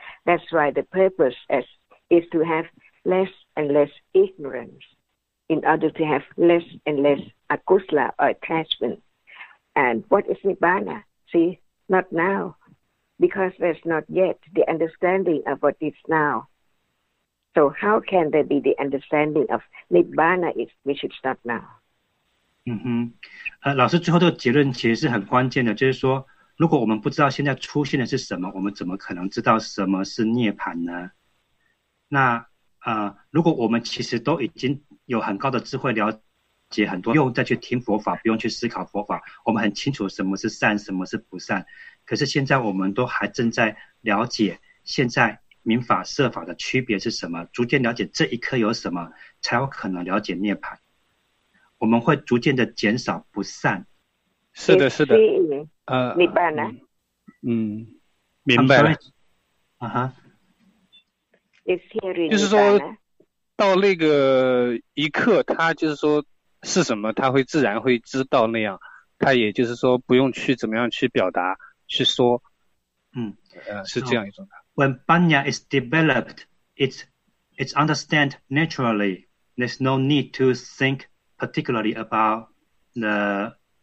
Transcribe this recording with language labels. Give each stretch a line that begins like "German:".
English: That's why the purpose is to have less and less ignorance in order to have less and less akusla or attachment. And what is Nibbana? See, not now, because there's not yet the understanding of what is now. So how can there be the understanding of Nibbana which is not now?
Chinese: 老师最后的结论其实是很关键的，就是说如果我们不知道现在出现的是什么，我们怎么可能知道什么是涅槃呢？那如果我们其实都已经有很高的智慧，了解很多，不用再去听佛法，不用去思考佛法，我们很清楚什么是善，什么是不善。可是现在我们都还正在了解现在明法设法的区别是什么，逐渐了解这一刻有什么，才有可能了解涅槃。我们会逐渐的减少不善。是的，是的。
English: Nibbana.
Chinese: 明白了。
English: It's hearing.
Chinese: 就是说到那个一刻，他就是说是什么，他会自然会知道那样，他也就是说不用去怎么样去表达去说。是这样一种的。
English: So, when Banya is developed, it's understand naturally. There's no need to think particularly about the.